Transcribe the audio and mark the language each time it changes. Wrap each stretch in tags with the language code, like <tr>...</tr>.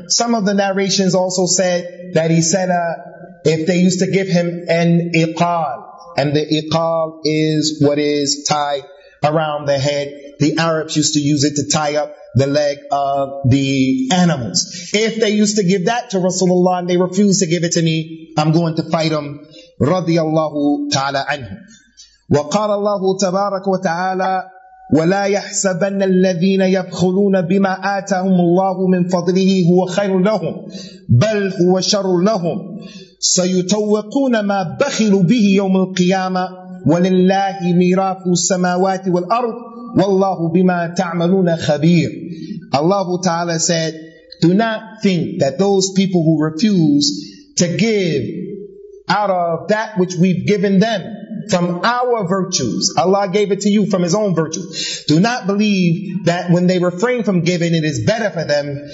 <en>Some of the narrations also said that he said, if they used to give him an iqal, and the iqal is what is tied around the head. The Arabs used to use it to tie up the leg of the animals. If they used to give that to Rasulullah and they refused to give it to me, I'm going to fight him.</en> <ar>رضي الله تعالى عنه وقال الله تبارك وتعالى ولا يحسبن الذين يبخلون بما آتاهم الله من فضله هو خير لهم بل هو شر لهم سيتوقون ما بخلوا به يوم القيامة ولله ميراث السماوات والأرض والله بما تعملون خبير. الله تعالى</ar> <en>said, do not think that those people who refuse to give out of that which we've given them, from our virtues. Allah gave it to you from His own virtue. Do not believe that when they refrain from giving, it is better for them.</en>